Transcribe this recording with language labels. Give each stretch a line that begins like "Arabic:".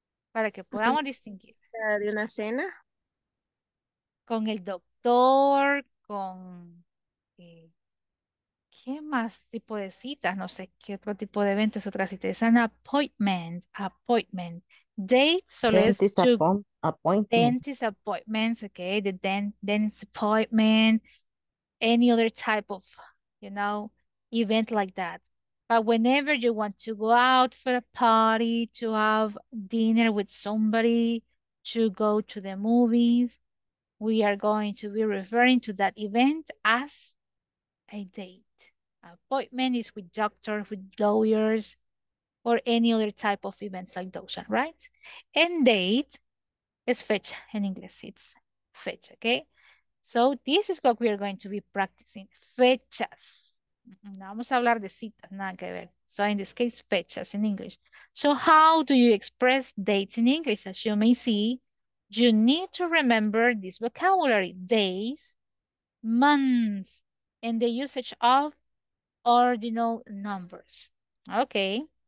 Spanish: Para que podamos distinguir de una cena con el doctor, con qué más tipo de citas, no sé qué otro tipo de eventos, otra cita es an appointment.
English: Appointment, date
Spanish: solo es
English: dentist appointments, okay, the dentist appointment, any other type of, you know, event like that. But whenever you want to go out for a party, to have dinner with somebody, to go to the movies, we are going to be referring to that event as a date. Appointment is with doctors, with lawyers, or any other type of events like those, right? And date is fecha in English. It's fecha, okay? So this is what we are going to be practicing, fechas.
Spanish: No vamos a hablar de citas, nada que ver.
English: So in this case, fechas in English. So how do you express dates in English? As you may see, you need to remember this vocabulary, days, months, and the usage of ordinal numbers. Okay.